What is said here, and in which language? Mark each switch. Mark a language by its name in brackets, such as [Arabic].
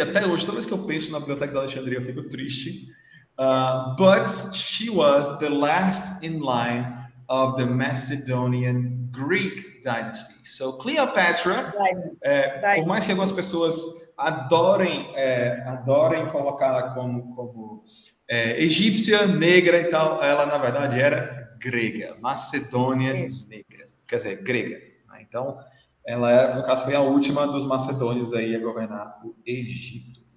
[Portuguese] Até hoje, toda vez que eu penso na biblioteca da Alexandria, eu fico triste. [English] But she was the last in line of the Macedonian Greek dynasty. [Portuguese] So Cleopatra, por mais que algumas pessoas adorem colocar como egípcia, negra e tal. Ela, na verdade, era grega, macedônia negra. Quer dizer, grega. Então, ela era, no caso, foi a última dos macedônios aí a governar o Egito.